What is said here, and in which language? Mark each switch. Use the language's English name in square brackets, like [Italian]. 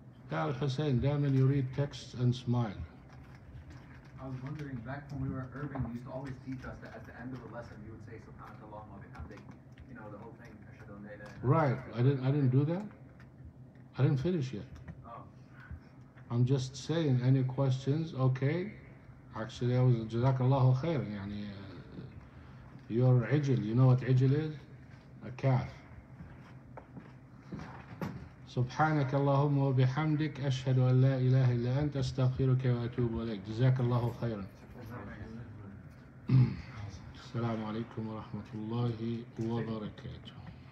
[Arabic] تعال حسين دائما يريد [English] text and smile. I was wondering, back when we were Irving, you used to always teach us that at the end of a lesson you would say [Arabic] subhanallah wa bihamdik, [English] you know, the whole thing, [Arabic] ashhadu an la ilaha illallah. [English] Right, I didn't do that. I didn't finish yet. Oh. I'm just saying, any questions? Okay. Actually, I was [Arabic] jazakallahu khair. [English] Your ijil, you know what ijil is? A calf. [Arabic] سبحانك اللهم وبحمدك أشهد أن لا إله إلا أنت أستغفرك وأتوب إليك جزاك الله خيرا. السلام عليكم ورحمة الله وبركاته.